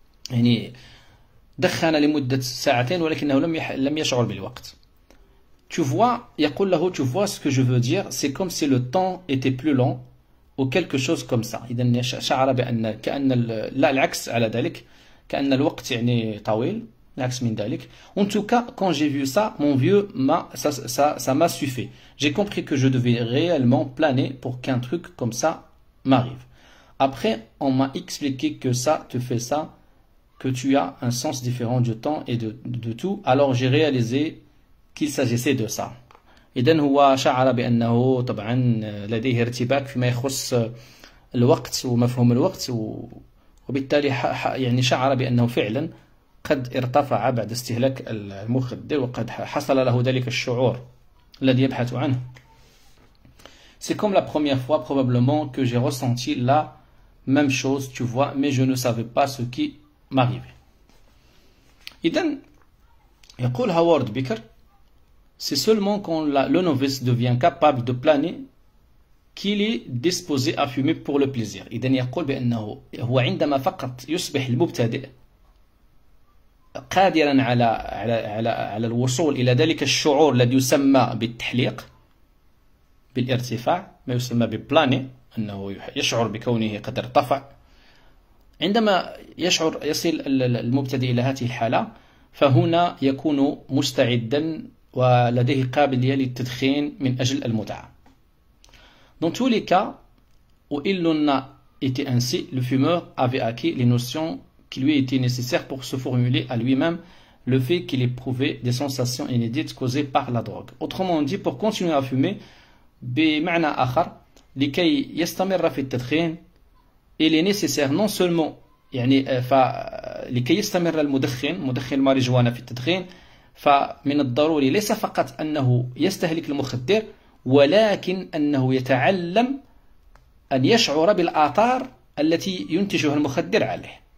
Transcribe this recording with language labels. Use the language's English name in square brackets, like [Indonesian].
[Arabic] يعني دخن لمدة ساعتين ولكنه لم يشعر بالوقت. [French] Tu vois, [Arabic] يقول له, [French] tu vois ce que je veux dire, c'est comme si le temps était plus long ou quelque chose comme ça. [Arabic] إذا شعر بأن كأن لا العكس على ذلك كأن الوقت يعني طويل العكس من ذلك. [French] En tout cas, quand j'ai vu ça, mon vieux m'a ça m'a suffi. J'ai compris que je devais réellement planer pour qu'un truc comme ça m'arrive. Après, on m'a expliqué que ça te fait ça, que tu as un sens différent du temps et de tout. Alors j'ai réalisé qu'il s'agissait de ça. [Arabic] إذن هو شعر بأنه طبعا لديه ارتباك فيما يخص الوقت ومفهوم الوقت وبالتالي يعني شعر بأنه فعلا قد ارتفع بعد استهلاك المخدر وقد حصل له ذلك الشعور الذي يبحث عنه. [French] C'est comme la première fois probablement que j'ai ressenti la même chose, tu vois, mais je ne savais pas ce qui m'arrivait. [Arabic] إذن يقول [French] هوارد بيكر c'est seulement quand le novice devient capable de planer qu'il est disposé à fumer pour le plaisir. [Arabic] إذن يقول بأنه هو عندما فقط يصبح المبتدئ قادرا على الوصول إلى ذلك الشعور الذي يسمى بالتحليق بالارتفاع ما يسمى ببلاني أنه يشعر بكونه قد ارتفع. عندما يشعر يصل المبتدئ إلى هذه الحالة فهنا يكون مستعدا ولديه قابلية للتدخين من أجل المتعة. [French] Dans tous les cas, où il en a été ainsi, le fumeur avait acquis les notions qui lui étaient nécessaires pour se formuler à lui-même le fait qu'il éprouvait des sensations inédites causées par la drogue. Autrement dit, pour continuer à fumer, [Arabic] بمعنى آخر, لكي يستمر في التدخين, [French] il est nécessaire non seulement, [Arabic] يعني, لكي يستمر المدخن, مدخن الماريجوانا في التدخين, فمن الضروري ليس فقط أنه يستهلك المخدر ولكن أنه يتعلم أن يشعر بالآثار التي ينتجها المخدر عليه.